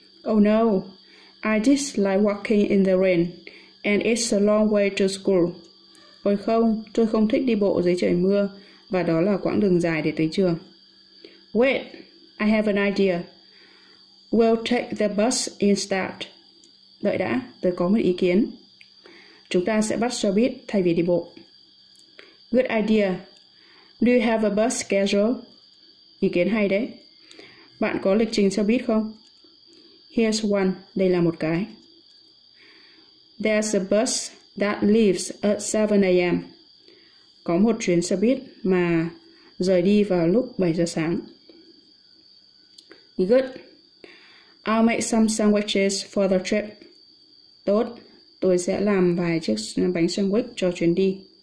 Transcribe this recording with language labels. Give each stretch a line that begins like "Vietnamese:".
English: Oh no, I dislike walking in the rain, and it's a long way to school.
Vietnamese: Ôi không, tôi không thích đi bộ dưới trời mưa, và đó là quãng đường dài để tới trường.
English: Wait, I have an idea. We'll take the bus instead.
Vietnamese: Đợi đã, tôi có một ý kiến. Chúng ta sẽ bắt xe buýt thay vì đi bộ.
English: Good idea. Do you have a bus schedule?
Vietnamese: Ý kiến hay đấy. Bạn có lịch trình xe buýt không?
English: Here's one.
Vietnamese: Đây là một cái.
English: There's a bus that leaves at 7 a.m.
Vietnamese: Có một chuyến xe buýt mà rời đi vào lúc 7 giờ sáng.
English: Good. I'll make some sandwiches for the trip.
Vietnamese: Tốt, tôi sẽ làm vài chiếc bánh sandwich cho chuyến đi.